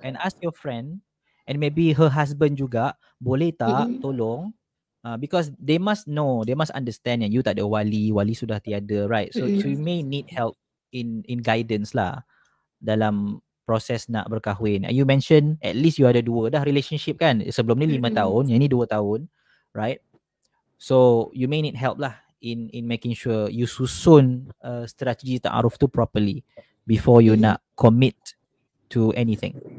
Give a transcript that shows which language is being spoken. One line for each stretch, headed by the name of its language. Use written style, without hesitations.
English: And ask your friend and maybe her husband
Malay: juga, boleh tak tolong?
English: Because they must know, they must understand
Malay: yang you tak ada wali sudah tiada,
English: right? So, so you may need help in guidance
Malay: lah dalam proses nak berkahwin.
English: You mention at least you
Malay: ada 2 dah
English: relationship
Malay: kan? Sebelum ni 5 tahun, yang ni 2 tahun,
English: right? So you may need help
Malay: lah
English: in making sure you
Malay: susun strategi ta'aruf tu
English: properly before you
Malay: nak
English: commit to anything.